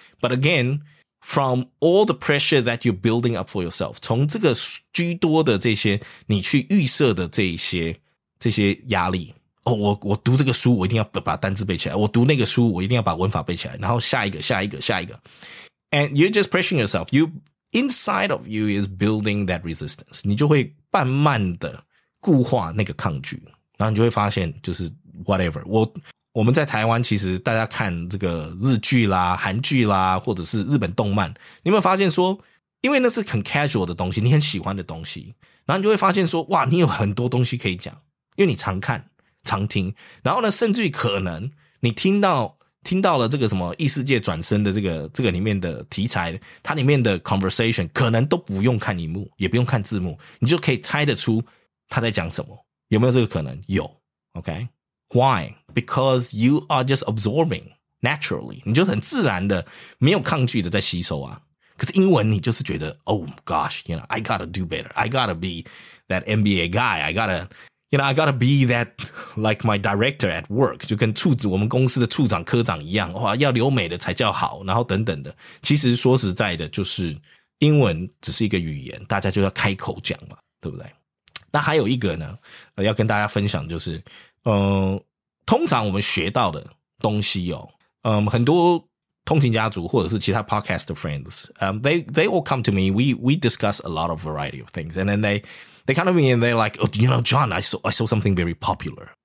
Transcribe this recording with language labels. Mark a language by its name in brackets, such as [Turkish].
[English] But again, from all the pressure that you're building up for yourself, [Chinese] 从这个居多的这些你去预设的这些压力。哦，我读这个书我一定要把单字背起来。我读那个书我一定要把文法背起来。然后下一个下一个下一个。 [English] And you're just pressuring yourself. You, inside of you is building that resistance. [Chinese] 你就会慢慢的固化那个抗拒。然后你就会发现就是 whatever. 我们在台湾其实大家看这个日剧啦、韩剧啦，或者是日本动漫，你有没有发现说，因为那是很 casual 的东西，你很喜欢的东西，然后你就会发现说，哇，你有很多东西可以讲，因为你常看、常听，然后呢，甚至于可能你听到了这个什么异世界转生的这个里面的题材，它里面的 conversation 可能都不用看荧幕，也不用看字幕，你就可以猜得出他在讲什么，有没有这个可能？ [English] 有 ，OK。Why? Because you are just absorbing naturally. [Chinese] 你就很自然的没有抗拒的在吸收啊。可是英文你就是觉得 [English] Oh gosh, you know, I gotta do better. I gotta be that MBA guy. I gotta, you know, I gotta be that like my director at work. [Chinese] 就跟处子我们公司的处长科长一样，哇，要留美的才叫好，然后等等的。其实说实在的，就是英文只是一个语言，大家就要开口讲嘛，对不对？那还有一个呢，要跟大家分享就是通常我们学到的东西哦，很多通勤家族或者是其他 [English] podcast friends, they all come to me, we discuss a lot of variety of things, and then they come to me and they're like, oh, you know, John, I saw something very popular.